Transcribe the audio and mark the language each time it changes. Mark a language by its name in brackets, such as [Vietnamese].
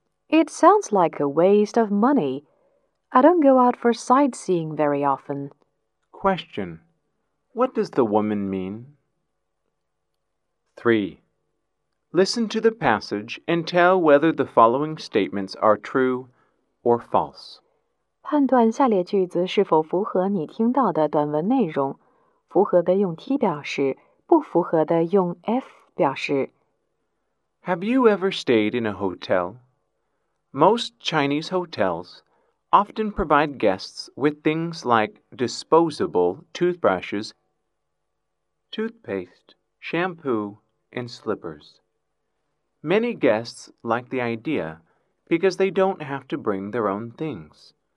[English] It sounds like a waste of money. I don't go out for sightseeing very often. Question. What does the woman mean? 3. Listen to the passage and tell whether the following statements are true. Or false. [Chinese] 判断下列句子是否符合你听到的短文内容，符合的用 T 表示，不符合的用 F 表示。 [English] Have you ever stayed in a hotel? Most Chinese hotels often provide guests with things like disposable toothbrushes, toothpaste, shampoo, and slippers. Many guests like the idea. Because they don't have to bring their own things.